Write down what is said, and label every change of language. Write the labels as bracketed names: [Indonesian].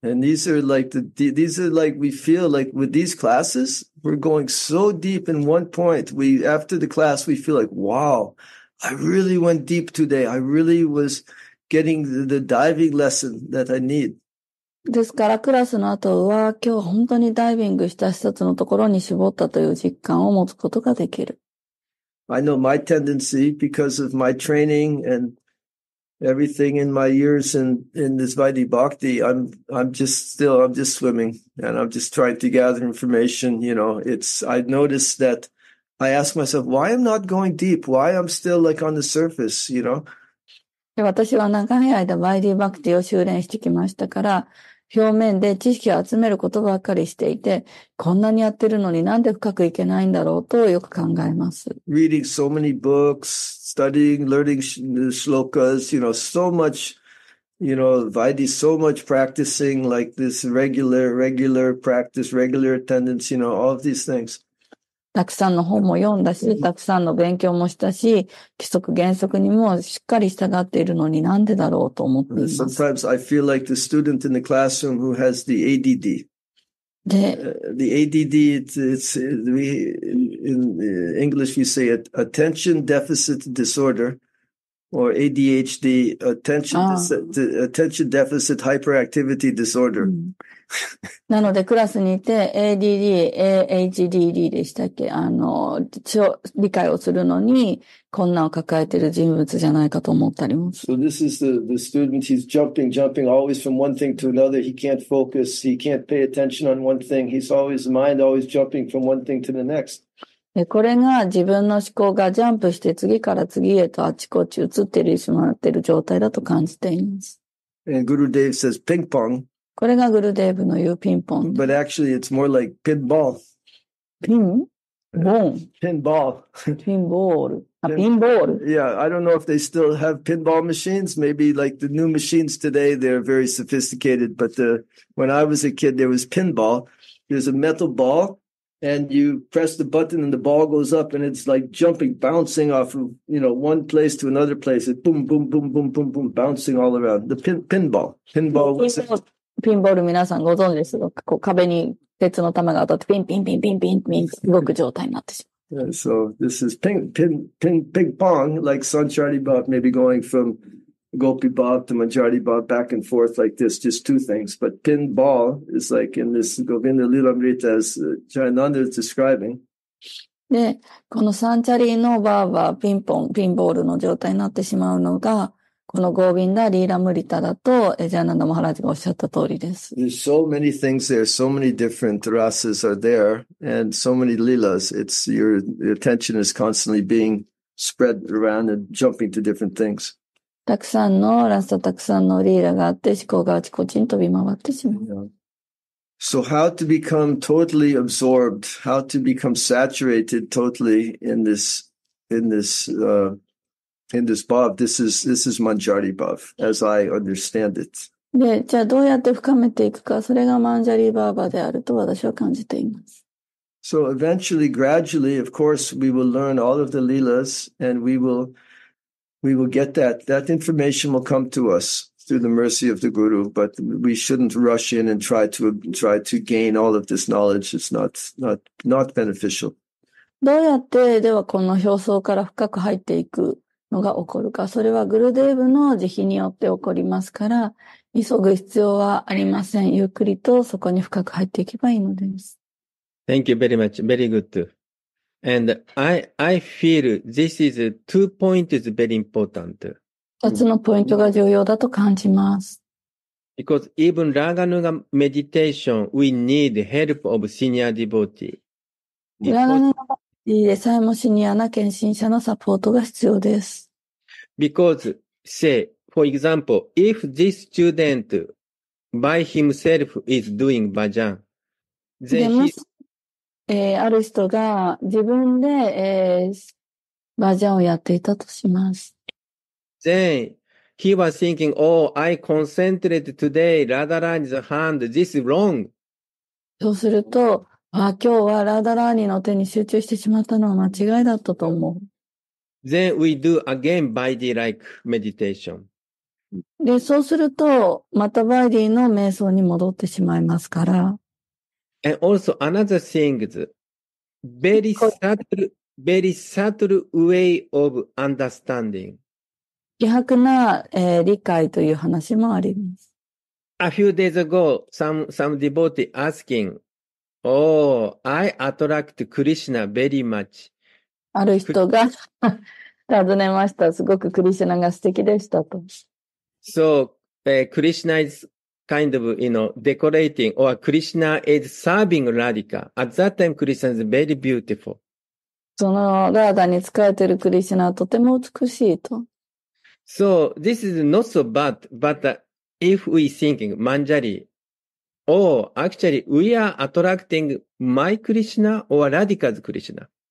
[English] And these are like we feel like with these classes, we're going so deep in one point. We, after the class, we feel like, wow, I really went deep today. I really was getting the diving lesson that I need. [Japanese] ですから、クラスの後は今日本当にダイビングした一つのところに絞ったという実感を持つことができる。 [English] I know my tendency because of my training and everything in my years in this Vaidhi Bhakti. I'm just swimming and I'm just trying to gather information. You know, I noticed that I ask myself, why I'm not going deep? Why I'm still like on the surface, you know? [Japanese] 私は長い間 Vaidhi Bhakti を修練してきましたから、表面で知識を集めることばっかりしていて、こんなにやってるのになんで深くいけないんだろうとよく考えます。 [English] Reading so many books, studying, learning shlokas, you know, so much, you know, Vaidhi, so much practicing like this regular practice, regular attendance, you know, all of these things. [Japanese] たくさんの本も読んだし、たくさんの勉強もしたし、規則原則にもしっかり従っているのになんでだろうと思っています。 [English] Sometimes I feel like the student in the classroom who has the ADD. The ADD, it's in English we say it, attention deficit disorder, or ADHD, attention deficit hyperactivity disorder. [Japanese] なので、クラスにいて、ADD、AHDD でしたっけ？理解をするのに、困難を抱えている人物じゃないかと思ったりも。 [English] So this is the student, he's jumping, always from one thing to another. He can't focus, he can't pay attention on one thing. He's always, mind always jumping from one thing to the next. [Japanese] で、これが自分の思考がジャンプして次から次へとあちこち移ってしまっている状態だと感じています。 [English] And Guru Dev says, ping pong. [Japanese] これがグルデーブの言うピンポン。 [English] But actually, it's more like pinball. Pinball. Yeah, I don't know if they still have pinball machines. Maybe like the new machines today, they're very sophisticated. But when I was a kid, there was pinball. There's a metal ball, and you press the button, and the ball goes up, and it's like jumping, bouncing off of, you know, one place to another place. It's boom, boom, boom, boom, boom, boom, bouncing all around. The pinball. Pinball was [Japanese] ピンボール皆さんご存知ですか？こう壁に鉄の玉が当たってピンピンピンピンピンピン動く状態になってしまう。 [English] Yeah, so this is ping pong, like Sancharni Bhav, maybe going from Gopi Bhav to Manjari Bhav back and forth like this, just two things. But pinball is like in this Govinda Lilamrita as Jayananda is describing. [Japanese] で、このサンチャリのバーはピンポン、ピンボールの状態になってしまうのが、このゴービンダ・リーラ・ムリタだと、ジャーナンダ・マハラジがおっしゃった通りです。 [English] There's so many things there, so many different rasas are there, and so many lilas. It's your attention is constantly being spread around and jumping to different things. [Japanese] たくさんのラサ、たくさんのリーラがあって、思考があちこちに飛び回ってしまう。 [English] Yeah. So how to become totally absorbed, how to become saturated totally in this bhav, this is Manjari bhav, as I understand it. [Japanese] で、じゃあどうやって深めていくか、それがマンジャリバーバーであると私は感じています。 [English] So eventually, gradually, of course, we will learn all of the lilas and we will get that. That information will come to us through the mercy of the guru, but we shouldn't rush in and try to gain all of this knowledge. It's not beneficial. [Japanese] どうやってではこの表層から深く入っていくのが起こるか、それはグルデーブの慈悲によって起こりますから、急ぐ必要はありません。ゆっくりとそこに深く入っていけばいいのです。 [English] Thank you very much. Very good. And I feel this is two points very important. [Japanese] 二つのポイントが重要だと感じます。 [English] Because even Raganuga meditation, we need help of senior devotee. [Japanese] Raganuga meditation でさえもシニアな献身者のサポートが必要です。 [English] Because, say, for example, if this student by himself is doing bhajan, then he [Japanese] ある人が自分で、バージョンをやっていたとします。 [English] Then, he was thinking, oh, I concentrated today, Radharani's hand, this is wrong. [Japanese] そうすると、あ、今日はラダラーニの手に集中してしまったのは間違いだったと思う。 [English] Then we do again body-like meditation. [Japanese] で、そうすると、またバイディの瞑想に戻ってしまいますから、 [English] And also another thing is very subtle way of understanding. [Japanese] 希薄な、理解という話もあります。 [English] A few days ago, some devotee asking, Oh, I attract Krishna very much. [Japanese] ある人が尋ねました。すごくクリシナが素敵でしたと。 [English] So, Krishna is kind of, you know, decorating, or Krishna is serving Radhika. At that time, Krishna is very beautiful. [Japanese] そのラーダに仕えているクリシナはとても美しいと。 [English] So, this is not so bad, but if we thinking Manjari, oh, actually, we are attracting my Krishna or Radhika's Krishna.